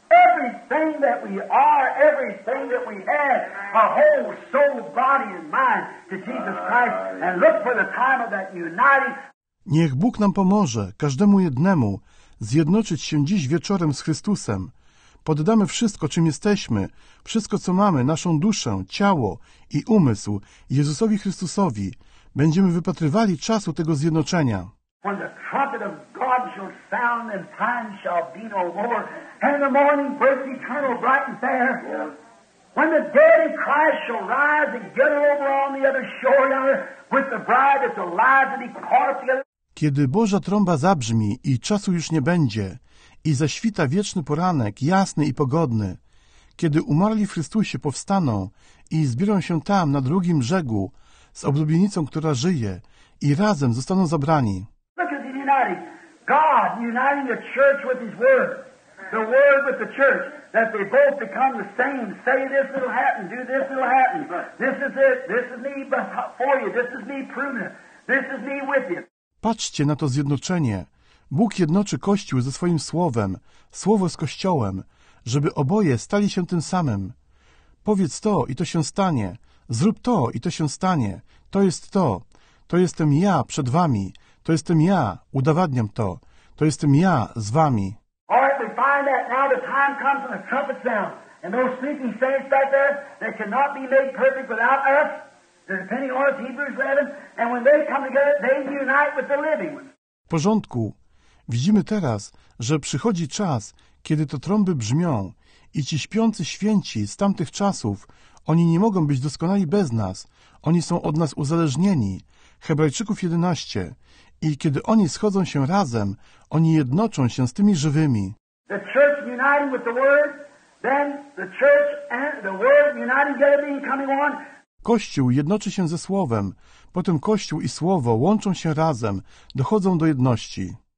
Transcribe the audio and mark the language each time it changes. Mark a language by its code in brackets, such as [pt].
[en] Everything that we are, everything that we have, our whole soul, body and mind to Jesus Christ and look for the time of that uniting. [pl] Niech Bóg nam pomoże, każdemu jednemu, zjednoczyć się dziś wieczorem z Chrystusem. Poddamy wszystko, czym jesteśmy, wszystko, co mamy, naszą duszę, ciało i umysł Jezusowi Chrystusowi. Będziemy wypatrywali czasu tego zjednoczenia. [en] When the trumpet of God shall sound and time shall be no more, and the morning breaks eternal bright and fair. Yeah. When the dead in Christ shall rise and get over on the other shore yonder with the bride that's alive that He caught up the other. [pl] Kiedy Boża trąba zabrzmi i czasu już nie będzie, i zaświta wieczny poranek, jasny i pogodny, kiedy umarli w Chrystusie powstaną i zbiorą się tam na drugim brzegu z oblubienicą, która żyje, i razem zostaną zabrani. [en] Look at the uniting. God uniting the church with His word. The word with the church. That they both become the same. Say this will happen. Do this will happen. This is it. This is me for you. This is me proving it. This is me with you. [pl] Patrzcie na to zjednoczenie. Bóg jednoczy Kościół ze swoim Słowem, Słowo z Kościołem, żeby oboje stali się tym samym. Powiedz to i to się stanie. Zrób to i to się stanie. To jest to. To jestem ja przed wami. To jestem ja. Udowadniam to. To jestem ja z wami. [en] All right, we find that now the time comes when the trumpet sounds. And those sleeping saints back there, they cannot be made perfect without us. They're depending on us, Hebrews 11. And when they come together, they unite with the living. [pl] W porządku. Widzimy teraz, że przychodzi czas, kiedy to trąby brzmią i ci śpiący święci z tamtych czasów, oni nie mogą być doskonali bez nas, oni są od nas uzależnieni. Hebrajczyków 11. I kiedy oni schodzą się razem, oni jednoczą się z tymi żywymi. [en] The church uniting with the word, then the church and the word uniting together becoming one. [pl] Kościół jednoczy się ze Słowem, potem Kościół i Słowo łączą się razem, dochodzą do jedności.